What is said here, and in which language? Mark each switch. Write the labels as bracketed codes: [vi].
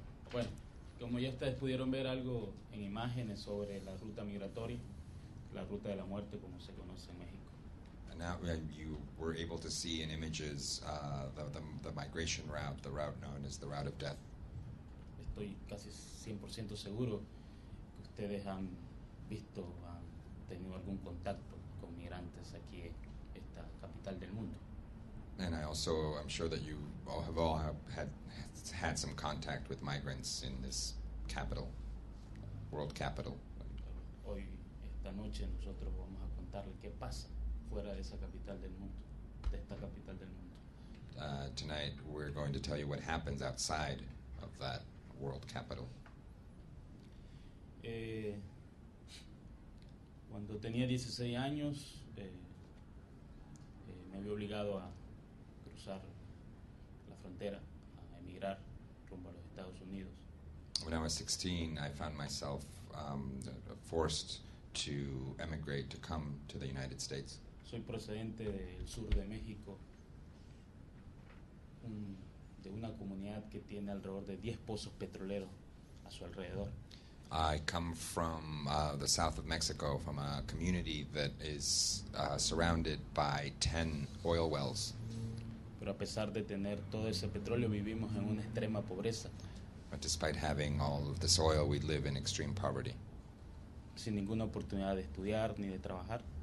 [es] Bueno, como ya ustedes pudieron ver algo en imágenes sobre la ruta migratoria. La ruta de la muerte, como se conoce en México. [en] And now you were able to see in images the migration route, the route known as the route of death. [es] Estoy casi 100% seguro que ustedes han visto, han tenido algún contacto con migrantes aquí en esta capital del mundo. [en] And I also, I'm sure that you all have all had some contact with migrants in this capital, world capital. [es] Hoy, esta noche nosotros vamos a contarle qué pasa fuera de esa capital del mundo, de esta capital del mundo. [en] Tonight we're going to tell you what happens outside of that world capital. [es] Cuando tenía 16 años, me había obligado a cruzar la frontera, a emigrar rumbo a los Estados Unidos. [en] When I was 16, I found myself forced to emigrate, to come to the United States. [es] Soy procedente del sur de México, de una comunidad que tiene alrededor de 10 pozos petroleros a su alrededor. [en] I come from the south of Mexico, from a community that is surrounded by 10 oil wells. [es] Pero a pesar de tener todo ese petróleo, vivimos en una extrema pobreza. [en] But despite having all of this oil, we live in extreme poverty. [es] Sin ninguna oportunidad de estudiar ni de trabajar.